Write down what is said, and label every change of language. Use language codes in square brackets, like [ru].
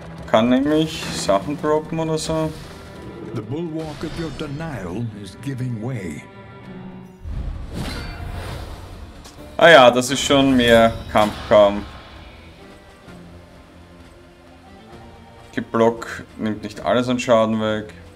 [de] Kann nämlich Sachen droppen oder so. [en] The bulwark of your denial is giving way. [de] Ah ja, das ist schon mehr Kampf. Geblock nimmt nicht alles an Schaden weg.